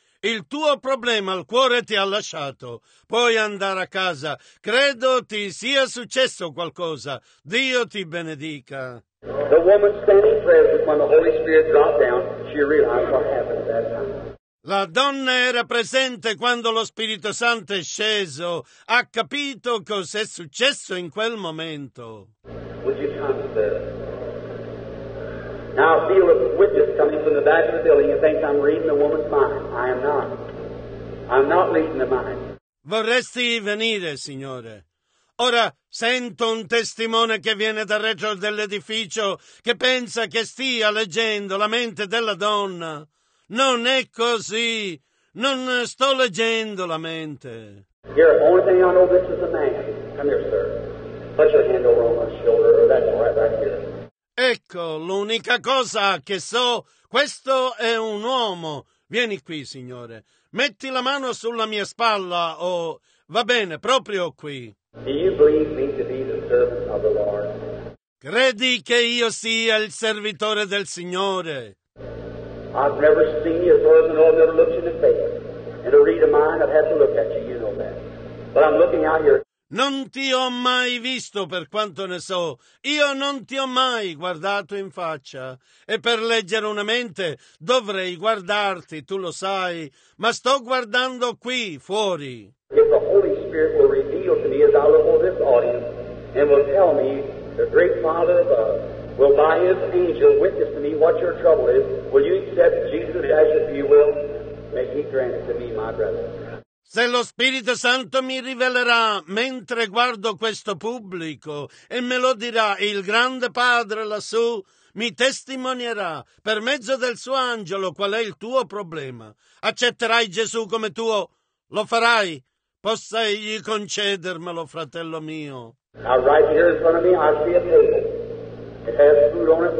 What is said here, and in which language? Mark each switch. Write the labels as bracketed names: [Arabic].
[Italian] Il tuo problema al cuore ti ha lasciato. Puoi andare a casa. Credo ti sia successo qualcosa. Dio ti benedica. [English] The woman standing present when the Holy Spirit dropped down, she realized what happened at that time. [Italian] La donna era presente quando lo Spirito Santo è sceso. Ha capito cos'è successo in quel momento. [English] Would you come to bed? Now I feel a witness coming from the back of the building and thinks I'm reading the woman's mind. I am not. I'm not reading the mind. [Italian] Vorresti venire, Signore? Ora sento un testimone che viene dal retro dell'edificio che pensa che stia leggendo la mente della donna. Non è così. Non sto leggendo la mente. [English] Here, the only thing I know, this is a man. Come here, sir. Put your hand over on my shoulder, or that's right back here. [Italian] Ecco, l'unica cosa che so, questo è un uomo. Vieni qui, Signore. Metti la mano sulla mia spalla o, va bene, proprio qui. [English] Do you believe me to be the servant of the Lord? [Italian] Credi che io sia il servitore del Signore? [English] I've never seen you, as far as I know, I've never looked you in the face. And to read a mind, I've had to look at you, you know that. But I'm looking out here. [Italian] Non ti ho mai visto, per quanto ne so. Io non ti ho mai guardato in faccia. E per leggere una mente dovrei guardarti, tu lo sai. Ma sto guardando qui, fuori. [English] If the Holy Spirit will reveal to me as I look over this audience and will tell me the great Father above will by his angel witness to me what your trouble is, will you accept Jesus as if you will? May he grant it to me, my brother. [Italian] Se lo Spirito Santo mi rivelerà mentre guardo questo pubblico e me lo dirà il grande Padre lassù, mi testimonierà per mezzo del suo angelo qual è il tuo problema. Accetterai Gesù come tuo? Lo farai? Possa egli concedermelo, fratello mio. [English] Now right here in front of me, I see a table. It has food on it.